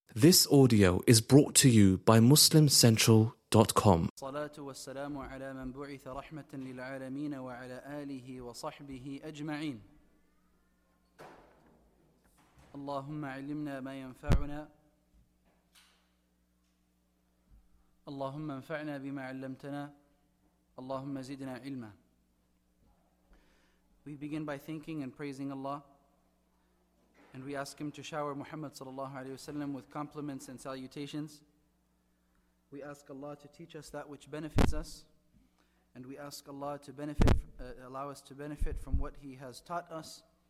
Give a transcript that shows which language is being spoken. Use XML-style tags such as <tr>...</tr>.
<en>This audio is brought to you by MuslimCentral.com.</en> <ar>الصلاة والسلام على من بعث رحمة للعالمين وعلى آله وصحبه أجمعين. اللهم علمنا ما ينفعنا. اللهم انفعنا بما علمتنا. اللهم زدنا علما.</ar> <en>We begin by thanking and praising Allah. And we ask him to shower Muhammad sallallahu alayhi wasallam with compliments and salutations. We ask Allah to teach us that which benefits us. And we ask Allah to allow us to benefit from what he has taught us.</en>